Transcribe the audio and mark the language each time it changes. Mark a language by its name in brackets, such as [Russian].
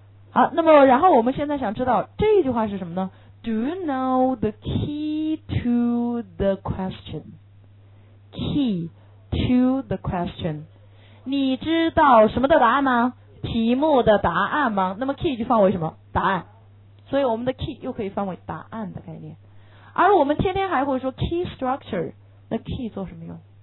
[Chinese] 好，那么然后我们现在想知道这句话是什么呢？ [English] Do you know the key to the question? Key to the question， [Chinese] 你知道什么的答案吗？题目的答案吗？那么 key 就放为什么？答案。所以我们的 key 又可以放为答案的概念。而我们天天还会说 [English] key structure， [Chinese] 那 key 做什么用？